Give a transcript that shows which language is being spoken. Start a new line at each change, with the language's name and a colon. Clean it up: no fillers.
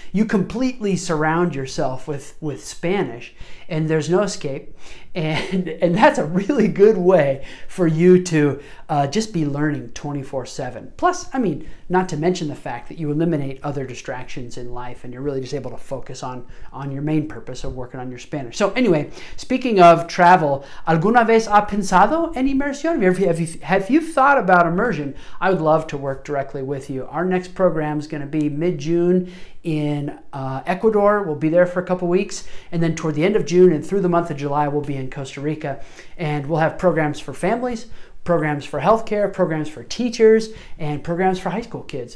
English: You completely surround yourself with Spanish, and there's no escape. And that's a really good way for you to just be learning 24/7. Plus, I mean, not to mention the fact that you eliminate other distractions in life and you're really just able to focus on your main purpose of working on your Spanish. So anyway, speaking of travel,
Spanish: ¿alguna vez ha pensado en inmersión?
English: Have you thought about immersion? I would love to work directly with you. Our next program is going to be mid-June in Ecuador. We'll be there for a couple weeks. And then toward the end of June and through the month of July, we'll be in Costa Rica. And we'll have programs for families, programs for healthcare, programs for teachers, and programs for high school kids.